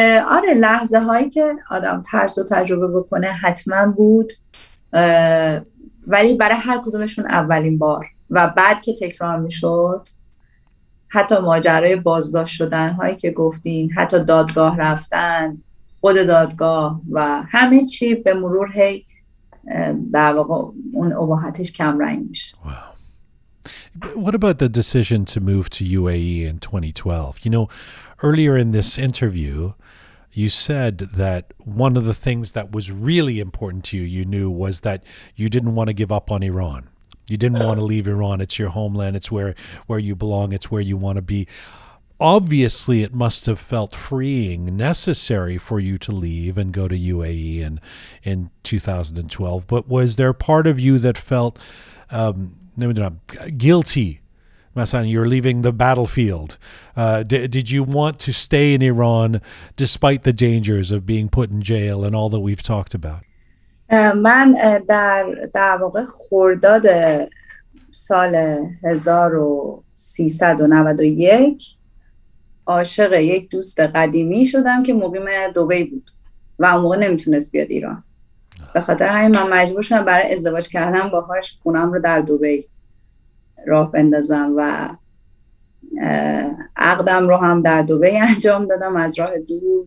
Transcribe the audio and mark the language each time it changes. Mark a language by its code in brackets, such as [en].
[fa] آره لحظه هایی که آدم ترس و تجربه بکنه حتما بود، ولی برای هر کدومشون اولین بار و بعد که تکرار میشد، حتی ماجرای بازداشت شدن هایی که گفتین، حتی دادگاه رفتن، خود دادگاه و همه چی به مرور هی در واقع اون ابهتش کم رنگ میشه. واو. [en] What about the decision to move to UAE in 2012? You know, earlier in this interview, you said that one of the things that was really important to you, you knew, was that you didn't want to give up on Iran. You didn't want to leave Iran. It's your homeland. It's where you belong. It's where you want to be. Obviously, it must have felt freeing, necessary for you to leave and go to UAE in 2012. But was there part of you that felt... guilty, Masan, you're leaving the battlefield. Did you want to stay in Iran despite the dangers of being put in jail and all that we've talked about? [fa] من در واقع خرداد سال 1391 عاشق یک دوست قدیمی شدم که مقیم دبی بود و اون موقع نمیتونست بیاد ایران. به خاطر همین من مجبور شدم برای ازدواج کردن باهاش خونم رو در دبی راه بندازم و عقدم رو هم در دبی انجام دادم از راه دور.